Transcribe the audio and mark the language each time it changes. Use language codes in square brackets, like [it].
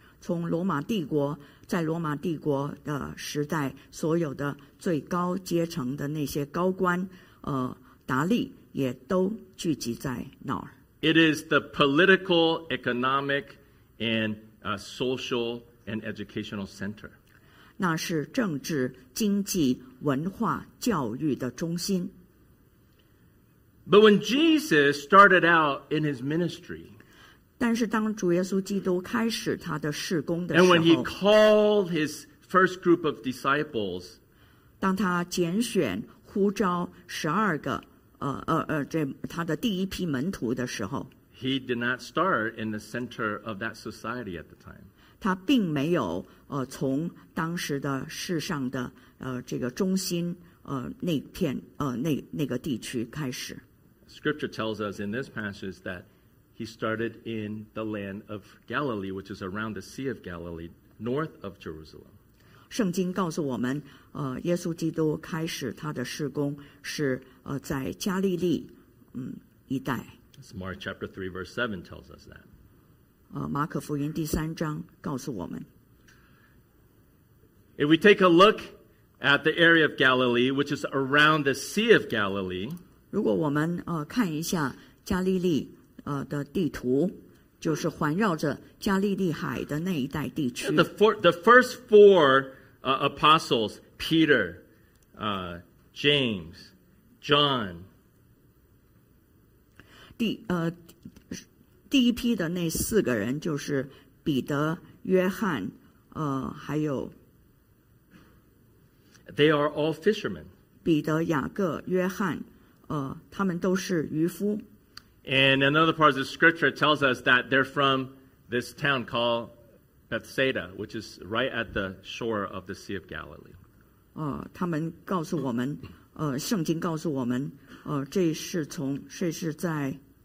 [zh] 从罗马帝国在罗马帝国的时代，所有的最高阶层的那些高官，达利也都聚集在那儿。 [en] It is the political, economic, and social and educational center. [zh] 那是政治、经济、文化、教育的中心。 [en] But when Jesus started out in his ministry, [zh] 但是当主耶稣基督开始他的事工的时候， [en] And when he called his first group of disciples, [zh] 当他拣选呼召十二个他的第一批门徒的时候， [en] He did not start in the center of that society at the time. [zh] 他并没有从当时的世上的这个中心那个地区开始。 [en] Scripture tells us in this passage that He started in the land of Galilee, which is around the Sea of Galilee, north of Jerusalem. [zh] 圣经告诉我们，耶稣基督开始他的事工是在加利利一带。 [en] Mark chapter 3 verse 7 tells us that. [zh] 马可福音第三章告诉我们。 [en] If we take a look at the area of Galilee, which is around the Sea of Galilee, [zh] 如果我们看一下加利利的地图，就是环绕着加利利海的那一带地区。 [en] The first four apostles, Peter, James, John. [zh] 第一批的那四个人就是彼得、约翰，还有。 [en] They are all fishermen. [zh] 彼得、雅各、约翰，他们都是渔夫。 [en] And another part of the scripture tells us that they're from this town called Bethsaida, which is right at the shore of the Sea of Galilee. [zh] 他们告诉我们，圣经告诉我们，这是在